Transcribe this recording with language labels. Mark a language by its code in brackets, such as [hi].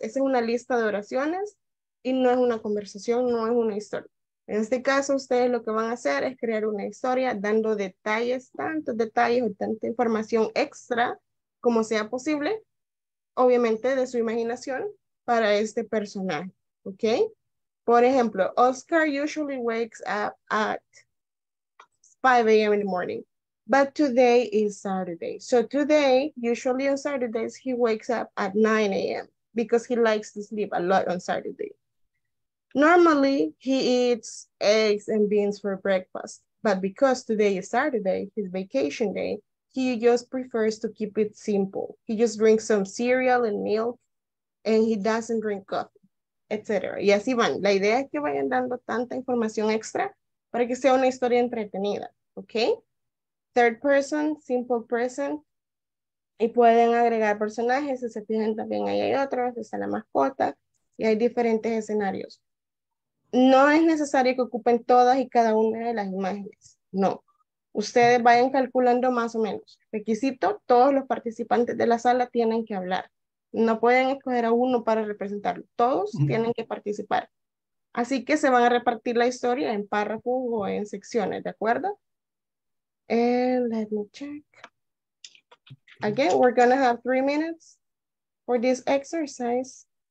[es] Esa es una lista de oraciones y no es una conversación, no es una historia. En este caso, ustedes lo que van a hacer es crear una historia dando detalles, tantos detalles o tanta información extra como sea posible, obviamente de su imaginación, para este personaje, ¿ok? [en] Por ejemplo, Oscar usually wakes up at 5 a.m. in the morning, but today is Saturday. So today, usually on Saturdays, he wakes up at 9 a.m. because he likes to sleep a lot on Saturday. Normally, he eats eggs and beans for breakfast, but because today is Saturday, his vacation day, he just prefers to keep it simple. He just drinks some cereal and milk, and he doesn't drink coffee, etc. [es] Y así van. La idea es que vayan dando tanta información extra para que sea una historia entretenida, okay? [en] Third person, simple present, [es] y pueden agregar personajes, si se fijan también ahí hay otros, está la mascota, y hay diferentes escenarios. No es necesario que ocupen todas y cada una de las imágenes, no. Ustedes vayan calculando más o menos. Requisito, todos los participantes de la sala tienen que hablar. No pueden escoger a uno para representarlo, todos tienen que participar. Así que se van a repartir la historia en párrafos o en secciones, ¿de acuerdo? [en] And let me check. Again, we're gonna have 3 minutes for this exercise.